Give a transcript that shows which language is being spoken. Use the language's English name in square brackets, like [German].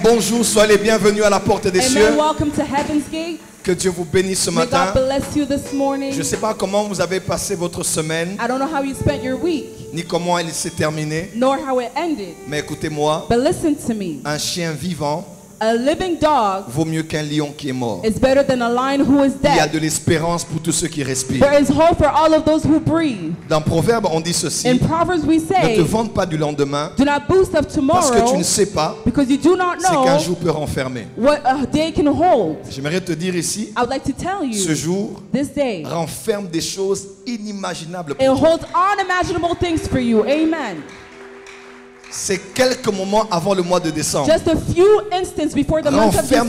[French] Bonjour, soyez les bienvenus à la porte des Amen. Cieux. [English] Welcome to Heaven's Gate. [French] Que Dieu vous bénisse ce matin. [English] May God bless you this morning. [French] Je ne sais pas comment vous avez passé votre semaine. [English] I don't know how you spent your week. [French] Ni comment elle s'est terminée. [English] Nor how it ended. [French] Mais écoutez-moi. [English] But listen to me. [French] Un chien vivant. [English] A living dog [French] vaut mieux qu'un lion qui est mort. [English] Is better than a lion who is dead. [French] Il y a de l'espérance pour tous ceux qui respirent. [English] There is hope for all of those who breathe. [French] Dans Proverbes, on dit ceci. [English] In Proverbs we say, [French] ne te vante pas du lendemain. [English] Do not boast of tomorrow. [French] Parce que tu ne sais pas. [English] Because you do not know. [French] C'est qu'un jour peut renfermer. [English] What a day can hold. [French] J'aimerais te dire ici. [English] I would like to tell you. [French] Ce jour. [English] This day. [French] Renferme des choses inimaginables. [English] It holds unimaginable things for you. Amen. [French] C'est quelques moments avant le mois de décembre. [English] Just a few instants before the month of December.